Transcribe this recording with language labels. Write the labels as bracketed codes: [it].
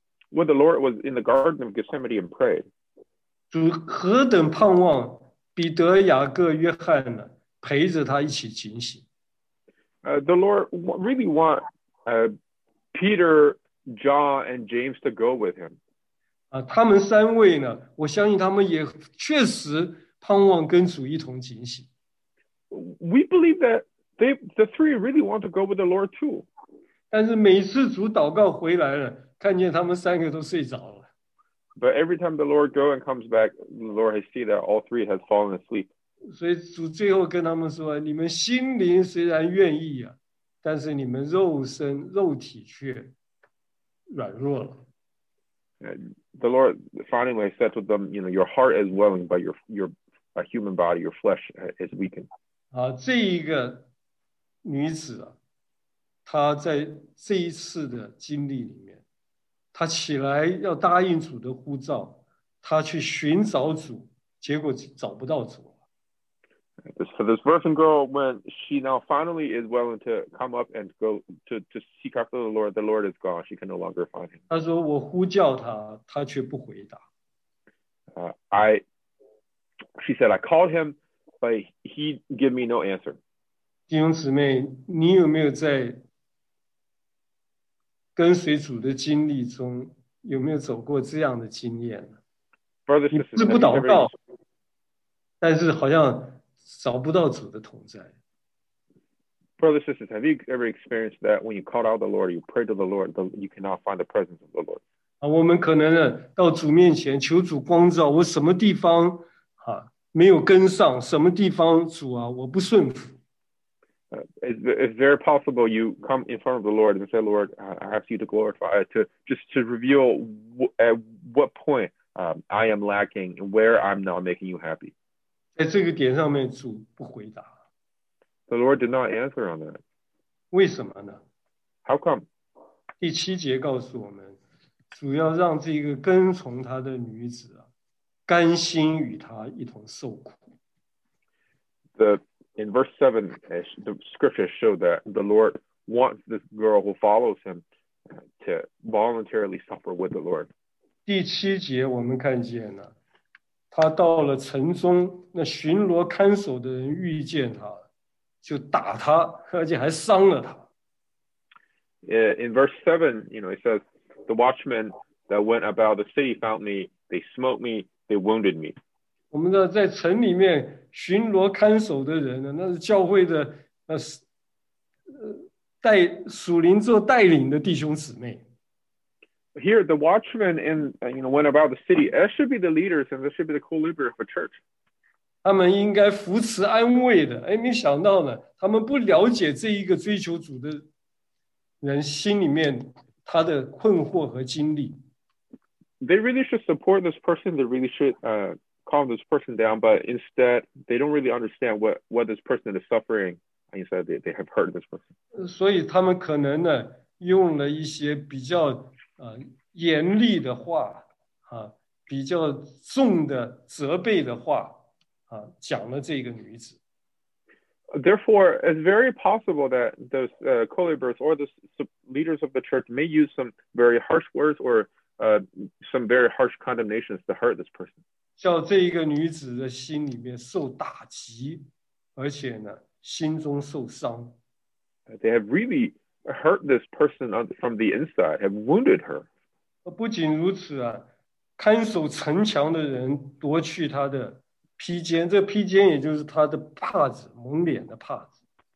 [en] When the Lord was in the Garden of Gethsemane and prayed, [zh] 主何等盼望彼得、雅各、约翰呢陪着他一起警醒。 [en] The Lord really want Peter, John, and James to go with him. [zh] 他们三位呢，我相信他们也确实盼望跟主一同警醒。 [en] We believe that the three really want to go with the Lord too. [zh] 但是每次主祷告回来了，看见他们三个都睡着了。 [en] But every time the Lord go and comes back, the Lord has seen that all three has fallen asleep. [zh] 所以主最后跟他们说，你们心灵虽然愿意啊，但是你们肉体却软弱了。 [en] The Lord finally said to them, you know, your heart is willing, but your human body, your flesh is weakened. [zh] 这一个女子啊，她在这一次的经历里面，她起来要答应主的呼召，她去寻找主，结果找不到主。 [en] So this virgin girl, when she now finally is willing to come up and go to seek after the Lord is gone, she can no longer find him. [zh] 她说我呼叫她，她却不回答。 [en] She said, I called him, but he gave me no answer. [zh] 弟兄姊妹，你有没有在跟随主的经历中，有没有走过这样的经验？ [en] Brothers, [zh] 你是不祷告，但是好像找不到主的同在。 [en] Brothers, sisters, have you ever experienced that when you called out the Lord, you prayed to the Lord, you cannot find the presence of the Lord? [zh] 我们可能到主面前求主光照，我什么地方没有跟上，什么地方主啊，我不顺服。 [en] It's very possible you come in front of the Lord and say, Lord, I ask you to glorify, to reveal at what point I am lacking, where I'm not making you happy. [zh] 在这个点上面，主不回答。 [en] The Lord did not answer on that. [zh] 为什么呢？ [en] How come? [zh] 第七节告诉我们，主要让这个跟从他的女子啊，甘心与他一同受苦。 [en] In verse 7, the scriptures show that the Lord wants this girl who follows him to voluntarily suffer with the Lord. [zh] 第七节我们看见了，他到了城中，那巡逻看守的人遇见他，就打他，而且还伤了他。 [en] In verse 7, you know, it says, the watchmen that went about the city found me, they smote me, they wounded me. [zh] 我们知道在城里面巡逻看守的人呢，那是教会的带属灵做带领的弟兄姊妹。 [en] Here, the watchmen in, you know, went about the city. That should be the leaders, and that should be the co-leader of a church. [zh] 他们应该扶持安慰的。哎，没想到呢，他们不了解这一个追求主的人心里面他的困惑和经历。 [en] They really should support this person. They really should calm this person down. But instead, they don't really understand what this person is suffering. Instead, they have hurt this person. [zh] 所以他们可能呢，用了一些比较严厉的话啊，比较重的责备的话啊，讲了这个女子。 [en] Therefore, it's very possible that those co-laborers or the leaders of the church may use some very harsh words or some very harsh condemnations to hurt this person. [zh] 叫这一个女子的心里面受打击，而且呢，心中受伤。 [en] They have really hurt this person from the inside, have wounded her. [zh] 不仅如此啊，看守城墙的人夺去她的披肩，这披肩也就是他的帕子，蒙脸的帕子。